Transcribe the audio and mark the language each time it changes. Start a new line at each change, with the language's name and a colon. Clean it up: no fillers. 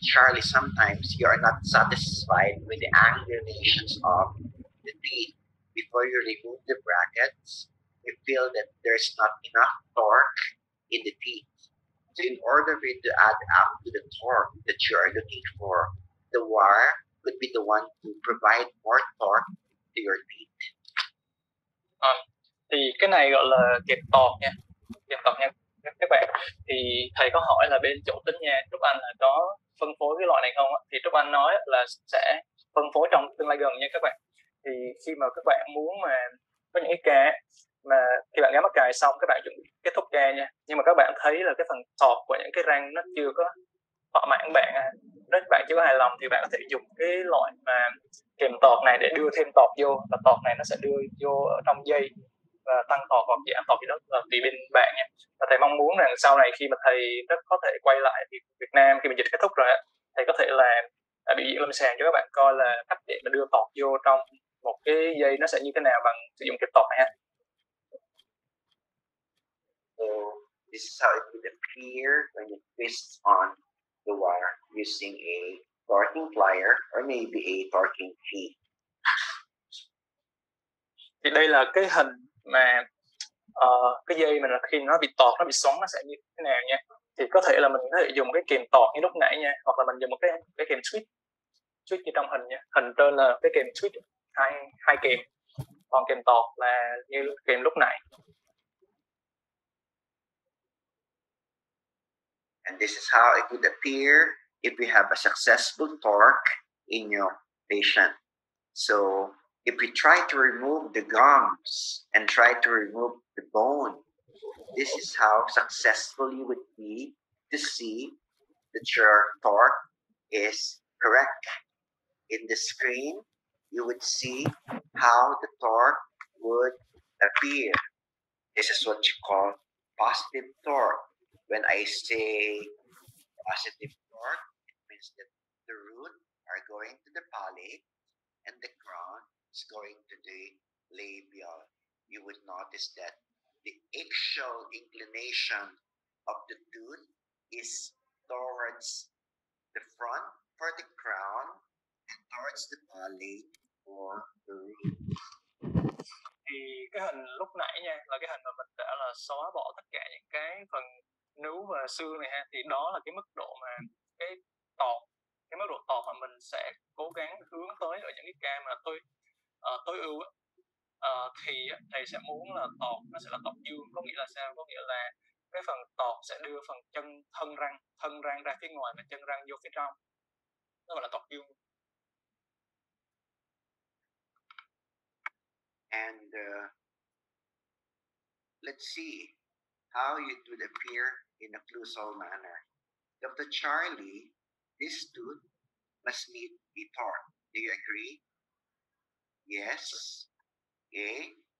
English: Charlie, sometimes you are not satisfied with the angulations of the teeth. Before you remove the brackets, you feel that there's not enough torque in the teeth. So in order for you to add up to the torque that you are looking for, the wire could be the one to provide more torque to your teeth.
Vietnamese: Thì cái này gọi là kẹp tọt nha. Kẹp tọt nha các bạn. Thì thầy có hỏi là bên chỗ Tín Nha Trúc Anh là có phân phối cái loại này không á? Thì Trúc Anh nói là sẽ phân phối trong tương lai gần nha các bạn. Thì khi mà các bạn muốn mà có những cái ca mà khi bạn gắn mắc cài xong các bạn chuẩn bị kết thúc ca nha, nhưng mà các bạn thấy là cái phần tọt của những cái răng nó chưa có thỏa mãn bạn à, nếu bạn chưa có hài lòng thì bạn có thể dùng cái loại mà kèm tọt này để đưa thêm tọt vô, và tọt này nó sẽ đưa vô ở trong dây và tăng tọt hoặc giảm tọt gì đó là tùy bên bạn nha. Và thầy mong muốn rằng sau này khi mà thầy rất có thể quay lại Việt Nam khi mà dịch kết thúc rồi á, thầy có thể làm biểu diễn lâm sàng cho các bạn coi là cách để mà đưa tọt vô trong một cái dây nó sẽ như thế nào bằng sử dụng kẹp tọt này ha.
English: So this is how it would appear when you twist on the wire using a torquing plier or maybe a torquing key.
Vietnamese: Thì đây là cái hình mà cái dây mình là khi nó bị tọt, nó bị xoắn nó sẽ như thế nào nha. Thì có thể là mình có thể dùng cái kèm tọt như lúc nãy nha, hoặc là mình dùng một cái kèm switch như trong hình nha. Hình trên là cái kèm switch hai kèm, còn kèm tọt là như kèm lúc nãy.
English: And this is how it would appear if you have a successful torque in your patient. So if we try to remove the gums and try to remove the bone, this is how successful you would be to see that your torque is correct. In the screen, you would see how the torque would appear. This is what you call positive torque. When I say positive torque, it means that the roots are going to the palate and the crown is going to the labial. You would notice that the axial inclination of the tooth is towards the front for the crown and towards the palate for the root.
Vietnamese: Thì cái hình lúc nãy nha, là cái hình mà mình đã là xóa bỏ tất cả những cái phần nướu và xương này ha, thì đó là cái mức độ mà cái mức độ tọt mà mình sẽ cố gắng hướng tới ở những cái ca mà tối ưu á. Thì thầy sẽ muốn là tọt nó sẽ là tọt dương, có nghĩa là sao? Có nghĩa là cái phần tọt sẽ đưa phần chân thân răng ra phía ngoài và chân răng vô phía trong, đó gọi là tọt dương.
English: And let's see how it would appear in a occlusal manner. Dr. Charlie, this tooth must need to be torqued. Do you agree? Yes. Okay.